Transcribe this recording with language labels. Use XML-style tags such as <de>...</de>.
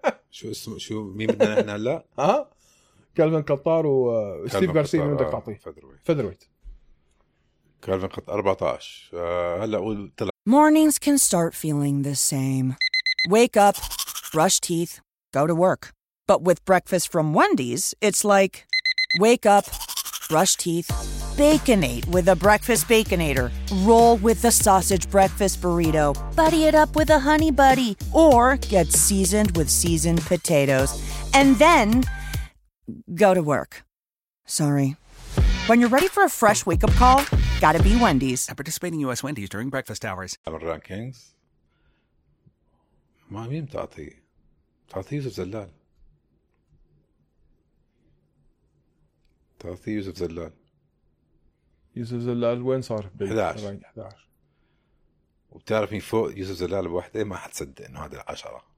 <ar>شو اسمه شو مين بدنا نحن هلا؟ كالفن قطار وستيف غارسيا مين بدك تعطيه؟ فيذرويت كالفن قط 14 هلا قول طلع.</ar> <en>Mornings can start feeling the same. Wake up, brush teeth, go to work. But with breakfast from Wendy's, it's like, wake up, brush teeth, baconate with a breakfast baconator, roll with the sausage breakfast burrito, buddy it up with a honey buddy, or get seasoned with seasoned potatoes, and then go to work. Sorry. When you're ready for a fresh wake-up call, gotta be Wendy's. At participating U.S. Wendy's during breakfast hours. Rankings.</en> <ar>ما مين تعطي؟ تعطي يوسف زلال. تعطي يوسف زلال. يوسف زلال وين صار؟ 11. وبتعرف مين فوق يوسف زلال بوحدة؟ ما حتصدق انه هذا العشرة.</ar>